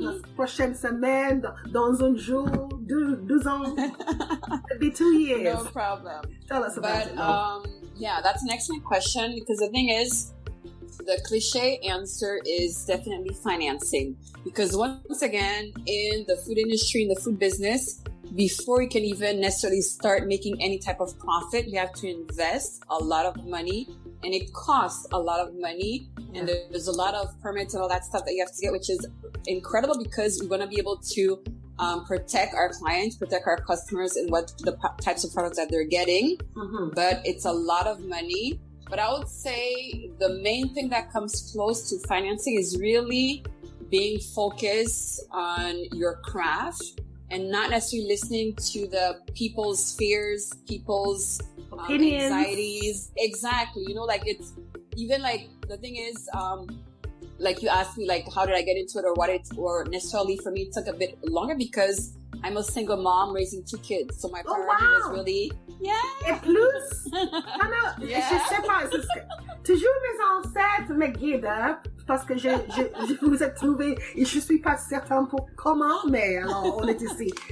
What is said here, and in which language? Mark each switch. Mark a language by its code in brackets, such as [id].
[fr] La prochaine semaine, dans un jour, deux ans, [en] be 2 years. No problem. Tell us about it. Yeah, that's an excellent question, because the thing is, the cliche answer is definitely financing. Because once again, in the food industry, in the food business, before you can even necessarily start making any type of profit, you have to invest a lot of money, and it costs a lot of money. Yeah. And there's a lot of permits and all that stuff that you have to get, which is incredible, because we're going to be able to protect our clients, protect our customers, and what the types of products that they're getting. Mm-hmm. But it's a lot of money. But I would say the main thing that comes close to financing is really being focused on your craft and not necessarily listening to the people's fears, people's anxieties. Exactly. You know, like, it's even like the thing is, like you asked me, like, how did I get into it, or necessarily for me, it took a bit longer because I'm a single mom raising two kids. So my priority was really... Yeah. [fr] Et plus, alors, yeah. Je ne sais pas, toujours mes ancêtres me guident, hein, parce que je vous ai trouvé, et je ne suis pas certaine pour comment, mais alors, on est ici.